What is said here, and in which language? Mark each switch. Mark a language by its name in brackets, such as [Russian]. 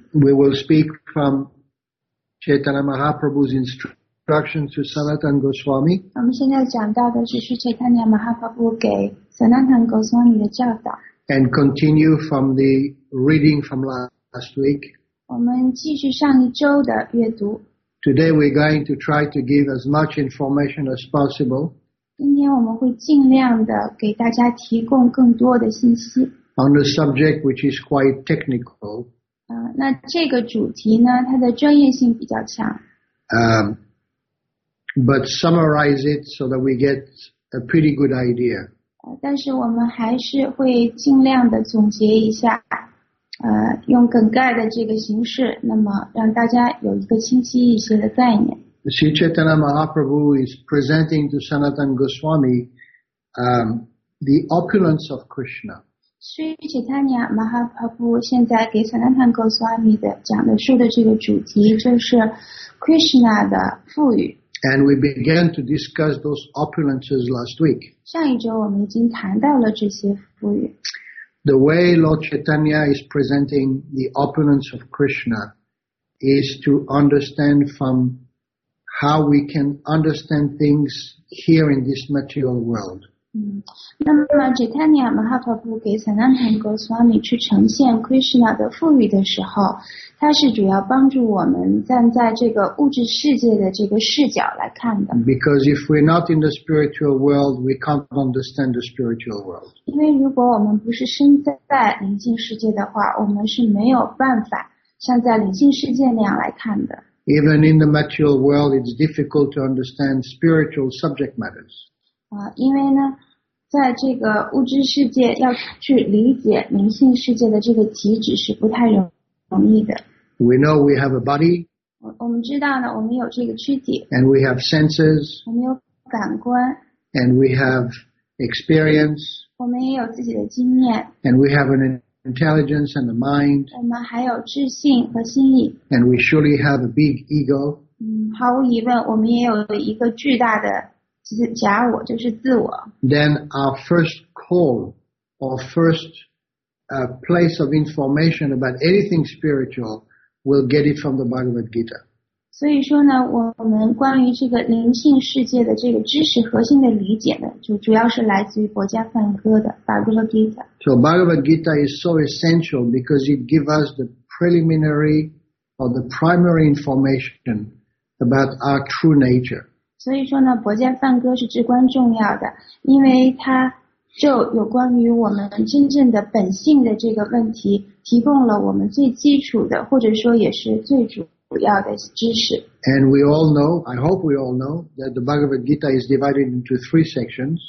[English] We will speak from Chaitanya Mahaprabhu's instructioninstructions to Sanatan Goswami. [Chinese] 我们现在讲到的是 Sri Chaitanya Mahaprabhu 给 Sanatan Goswami 的教导。 [English] And continue from the reading from last week. [Chinese] 我们继续上一周的阅读。 [English] Today we're going to try to give as much information as possible. [Chinese] 今天我们会尽量的给大家提供更多的信息。 [English] On the subject which is quite technical. [Chinese] 那这个主题呢，它的专业性比较强。 [English] But summarize it so that we get a pretty good idea. [Chinese] 但是我们还是会尽量的总结一下，用梗概的这个形式，那么让大家有一个清晰一些的概念。 [English] Sri Chaitanya Mahaprabhu is presenting to Sanatan Goswami, the opulence of Krishna. [Chinese] Sri Chaitanya Mahaprabhu 现在给 Sanatan Goswami 的讲的书的这个主题就是 Krishna 的富裕。 [English] And we began to discuss those opulences last week. [Chinese] 上一周我们已经谈到了这些富裕。 [English] The way Lord Chaitanya is presenting the opulence of Krishna is to understand from how we can understand things here in this material world. [Chinese] 那么 Chaitanya Mahaprabhu 给 Sanatan Goswami 去呈现 Krishna 的富裕的时候，它是主要帮助我们站在这个物质世界的这个视角来看的。 [English] Because if we're not in the spiritual world, we can't understand the spiritual world. [Chinese] 因为如果我们不是身在灵性世界的话，我们是没有办法像在灵性世界那样来看的。 [English] Even in the material world, it's difficult to understand spiritual subject matters. [Chinese] 因为呢，在这个物质世界要去理解灵性世界的这个极致是不太容易。 [English] We know we have a body. [Chinese] 我们知道呢，我们有这个躯体。 [English] And we have senses. [Chinese] 我们有感官。 [English] And we have experience. [Chinese] 我们也有自己的经验。 [English] And we have an intelligence and a mind. [Chinese] 我们还有智性和心理。 [English] And we surely have a big ego. [Chinese] 毫无疑问，我们也有一个巨大的假我，就是自我。 [English] Then our first call or firstA place of information about anything spiritual will get it from the Bhagavad Gita. [Chinese] 所以说呢，我们关于这个灵性世界的这个知识核心的理解呢，就主要是来自于《博迦梵歌》的 Bhagavad Gita. [English] So Bhagavad Gita is so essential because it gives us the preliminary or the primary information about our true nature. [Chinese] 所以说呢，《博迦梵歌》是至关重要的，因为它就有关于我们真正的本性的这个问题，提供了我们最基础的，或者说也是最主 [English] And we all know, I hope we all know, that the Bhagavad Gita is divided into three sections.